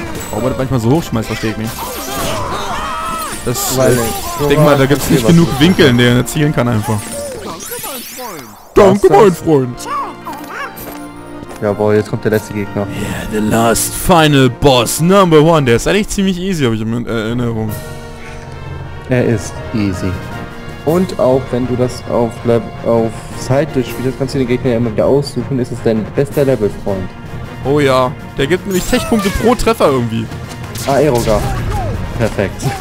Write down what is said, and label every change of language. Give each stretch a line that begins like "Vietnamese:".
German: Warum wird manchmal so hochschmeißt, versteht mich. Das, ich denke mal, da gibt es nicht genug Winkel, in denen er zielen kann einfach. Danke, mein Freund! Jawohl, jetzt kommt der letzte Gegner.
English: Yeah, the last final boss, number one.
German: Der ist eigentlich ziemlich easy, habe ich in Erinnerung. Er ist easy. Und auch wenn du das auf Side spielst, kannst du den Gegner ja immer wieder aussuchen. Ist es dein bester Level-Freund? Oh ja, der gibt nämlich Tech-Punkte pro Treffer irgendwie. Ah, Eroga. Perfekt.